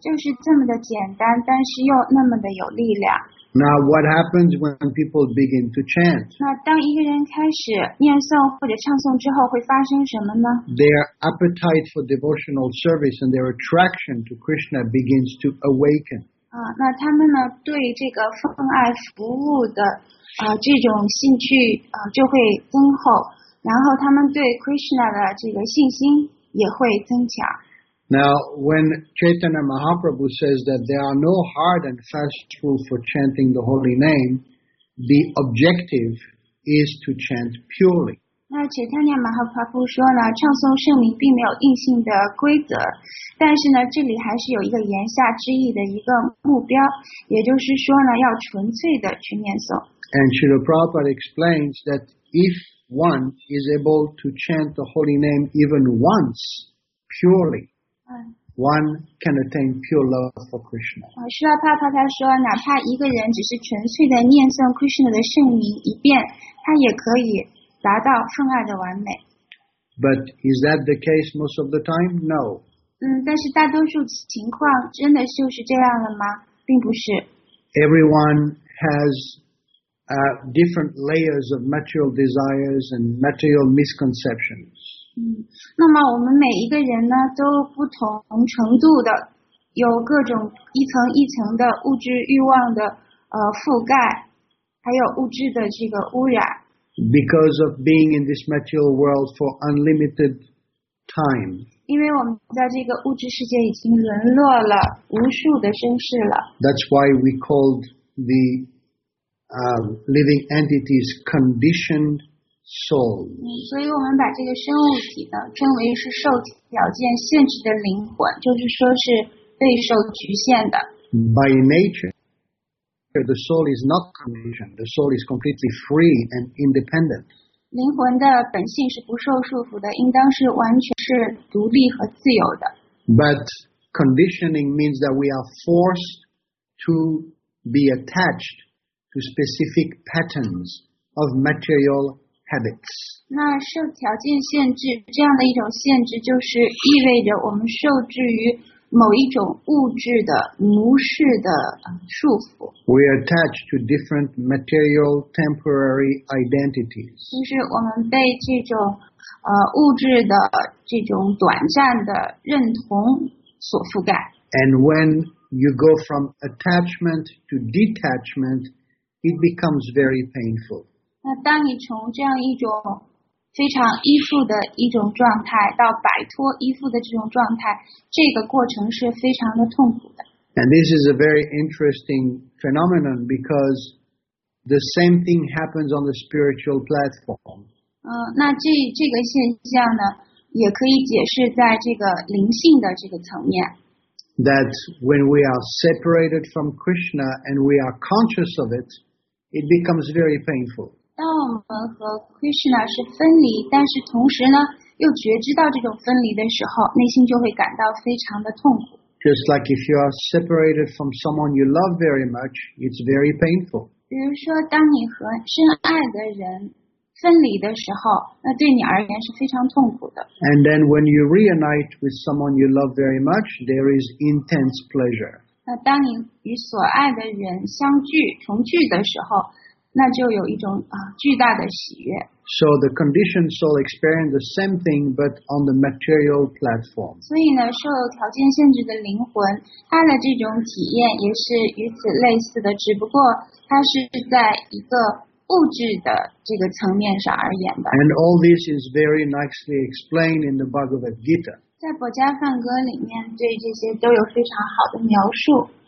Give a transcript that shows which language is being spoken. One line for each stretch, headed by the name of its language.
Chinese: 就是这么的简单但是又那么的有力量
English: Now what happens when people begin to chant
Chinese: 那当一个人开始念诵或者唱诵之后会发生什么呢
English: Their appetite for devotional service and their attraction to Krishna begins to awaken
Chinese: 那他们呢对这个奉爱服务的这种兴趣就会增厚然后他们对 Krishna 的这个信心也会增强
English: Now when Chaitanya Mahaprabhu says that there are no hard and fast rules for chanting the holy name the objective is to chant purely
Chinese: 那 Chaitanya Mahaprabhu 说呢唱诵圣名并没有硬性的规则但是呢这里还是有一个言下之意的一个目标也就是说呢要纯粹的去念诵
English: And Srila Prabhupada explains that if one is able to chant the holy name even once, purely, one can attain pure love for Krishna.
Chinese: Srila Prabhupada 说哪怕一个人只是纯粹的念诵 Krishna 的圣名一遍他也可以达到奉爱的完美。
English: But is that the case most of the time? No.
Chinese: 但是大多数情况真的就是这样了吗？并不是。
English: everyone has different layers of material desires and material misconceptions.
Chinese: 那么我们每一个人呢，都不同程度的有各种一层一层的物质欲望的覆盖，还有物质的这个污染。
English: Because of being in this material world for unlimited time.
Chinese: 因为我们在这个物质世界已经沦落了无数的生世了。
English: That's why we called the living entities conditioned souls.
Chinese: 所以我们把这个生物体呢称为是受条件限制的灵魂，就是说是被受局限的。
English: By nature. The soul is not conditioned. The soul is completely free and independent.
Chinese: 灵魂的本性是不受束缚的，应当是完全是独立和自由的。
English: But conditioning means that we are forced to be attached to specific patterns of material habits.
Chinese: 那受条件限制，这样的一种限制就是意味着我们受制于某一种物质的奴式的束缚。
English: We are attached to different material temporary identities.
Chinese: 就是我们被这种物质的这种短暂的认同所覆盖。
English: And when you go from attachment to detachment, it becomes very painful.
Chinese: 那当你从这样一种非常依附的一种状态到摆脱依附的这种状态，这个过程是非常的痛苦的。
English: And this is a very interesting phenomenon because the same thing happens on the spiritual platform.
Chinese: 那这个现象呢，也可以解释在这个灵性的这个层面。
English: That when we are separated from Krishna and we are conscious of it, it becomes very painful.
Chinese: 当我们和 Krishna 是分离，但是同时呢，又觉知到这种分离的时候，内心就会感到非常的痛苦。
English: Just like if you are separated from someone you love very much, it's very painful.
Chinese: 比如说，当你和深爱的人分离的时候，那对你而言是非常痛苦的。
English: And then when you reunite with someone you love very much, there is intense pleasure.
Chinese: 那当你与所爱的人相聚、重聚的时候，那就有一种巨大的喜悦。
English: So the conditioned soul experiences the same thing, but on the material platform.
Chinese: 所以呢，受条件限制的灵魂，它的这种体验也是与此类似的，只不过它是在一个物质的这个层面上而言的。
English: And all this is very nicely explained in the Bhagavad Gita.
Chinese: 在博迦梵歌里面，对这些都有非常好的描述。